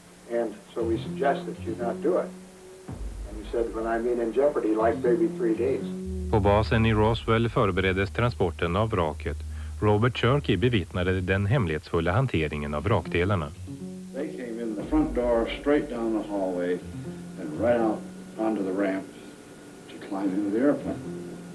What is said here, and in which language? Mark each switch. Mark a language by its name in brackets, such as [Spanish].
[English] And so we suggest that you not do it. And he said, when I mean in jeopardy, like maybe 3 days. [Swedish] På basen i Roswell förbereddes transporten av vraket. Robert Cherky bevittnade den hemlighetsfulla hanteringen av vrakdelarna. [English] They came in the front door, straight down the hallway, and right out onto the ramp to climb into the airplane.